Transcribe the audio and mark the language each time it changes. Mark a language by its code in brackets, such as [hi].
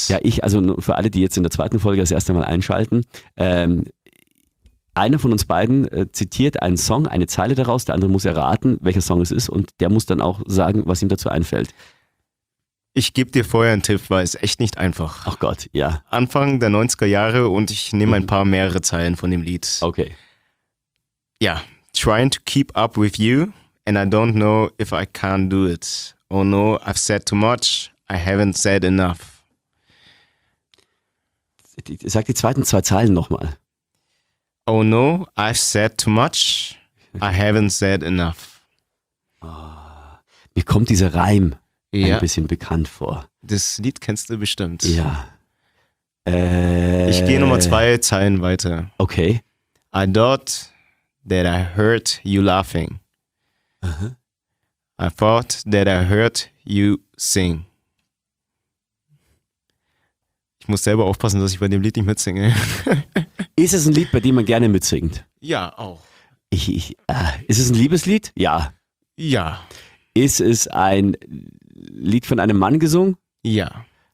[de] Ja, für alle, die jetzt in der zweiten Folge das erste Mal einschalten, einer von uns beiden zitiert einen Song, eine Zeile daraus, der andere muss erraten, welcher Song es ist und der muss dann auch sagen, was ihm dazu einfällt. Ich gebe dir vorher einen Tipp, weil es echt nicht einfach. Ach Gott, ja. Anfang der 90er Jahre und ich nehme ein paar mehrere Zeilen von dem Lied. Okay. [en] Ja, trying to keep up with you and I don't know if I can do it. Oh no, I've said too much, I haven't said enough. [de] Sag die zweiten zwei Zeilen nochmal. [en] Oh no, I've said too much, I haven't said enough. [de] Oh, mir kommt dieser Reim ein bisschen bekannt vor. Das Lied kennst du bestimmt. Ja. Ich gehe nochmal zwei Zeilen weiter. Okay. [en] I thought that I heard you laughing. I thought that I heard you sing. [de] Ich muss selber aufpassen, dass ich bei dem Lied nicht mitsinge. Ist es ein Lied, bei dem man gerne mitsingt? Ja, auch. Ist es ein Liebeslied? Ja. Ja. Ist es ein Lied von einem Mann gesungen? Ja.